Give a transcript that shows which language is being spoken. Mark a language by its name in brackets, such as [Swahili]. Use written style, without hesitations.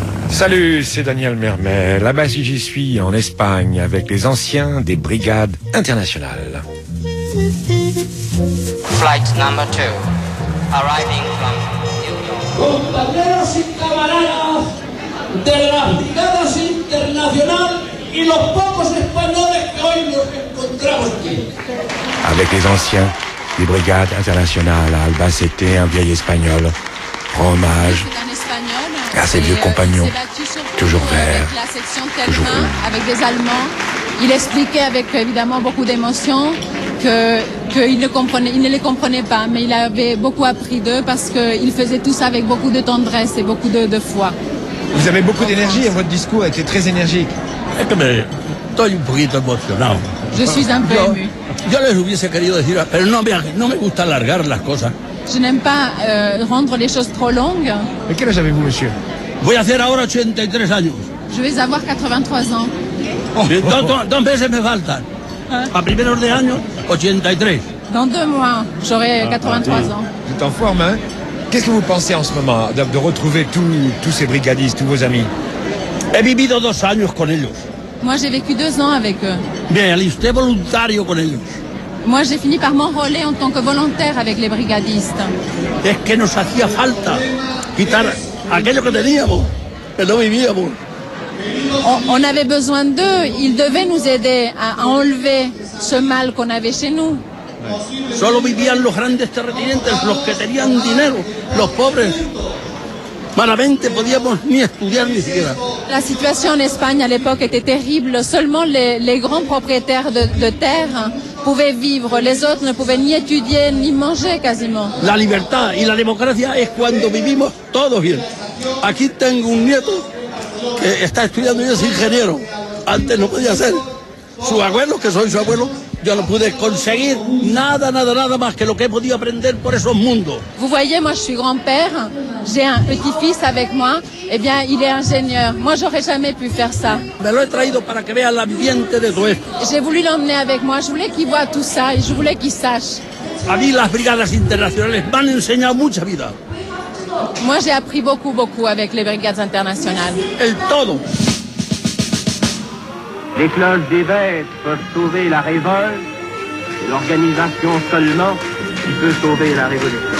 [French] Salut, c'est Daniel Mermet. Là-bas, si j'y suis, en Espagne, avec les anciens des brigades internationales. [English] Flight number 2, arriving from New York. [Spanish] Compañeros y camaradas de las brigadas internacionales y los pocos españoles que hoy nos encontramos aquí. [French] Avec les anciens des brigades internationales, Albacete, un vieil espagnol, rend hommage à ses vieux compagnons, toujours vert, avec la section Terrain, toujours rouge. Avec des Allemands, il expliquait avec évidemment beaucoup d'émotion qu'il ne les comprenait pas, mais il avait beaucoup appris d'eux parce qu'il faisait tout ça avec beaucoup de tendresse et beaucoup de foi. Vous avez beaucoup d'énergie et votre discours était très énergique. Mais toi, tu brilles d'émotion. Je suis un peu ému. [Spanish] Yo les hubiese querido decir, pero no me gusta alargar las cosas. [French] Je n'aime pas rendre les choses trop longues. Mais quel âge avez-vous, monsieur? [Spanish] Voy a hacer ahora 83 años. [French] Je vais avoir 83 ans. Dans deux mois, [Spanish] me faltan. A primeros de año, 83. [French] Dans deux mois, j'aurai 83 ans. Vous êtes en forme, hein? Qu'est-ce que vous pensez en ce moment de retrouver tous ces brigadistes, tous vos amis? [Spanish] He vivido dos años con ellos. [French] Moi, j'ai vécu deux ans avec eux. [Spanish] Bien, [French] j'étais [Spanish] voluntario con ellos. [French] Moi, j'ai fini par m'enrôler en tant que volontaire avec les brigadistes. [Spanish] Es que nos hacía falta quitar aquello que teníamos, que no vivíamos. [French] On avait besoin d'eux. Ils devaient nous aider à enlever ce mal qu'on avait chez nous. [Spanish] Solo vivían los grandes terratenientes, los que tenían dinero, los pobres. Malamente podíamos ni estudiar ni siquiera. [French] La situation en Espagne à l'époque était terrible. Seulement les grands propriétaires de terres pouvaient vivre. Les autres ne pouvaient ni étudier ni manger quasiment. [Spanish] La libertad y la democracia es cuando vivimos todos bien. Aquí tengo un nieto que está estudiando y es ingeniero. Antes no podía ser. Su abuelo, que soy su abuelo, yo no pude conseguir nada, nada, nada más que lo que he podido aprender por esos mundos. [French] Vous voyez, moi je suis grand-père, j'ai un petit-fils avec moi, eh bien il est ingénieur. Moi j'aurais jamais pu faire ça. [Spanish] Me lo he traído para que vea el ambiente de todo esto. [French] J'ai voulu l'emmener avec moi, je voulais qu'il voit tout ça et je voulais qu'il sache. [Spanish] A mí las brigadas internacionales me han enseñado mucha vida. [French] Moi j'ai appris beaucoup, beaucoup avec les brigades internationales. [Spanish] El todo. [French] Les cloches des vêtres peuvent sauver la révolte, c'est l'organisation seulement qui peut sauver la révolution.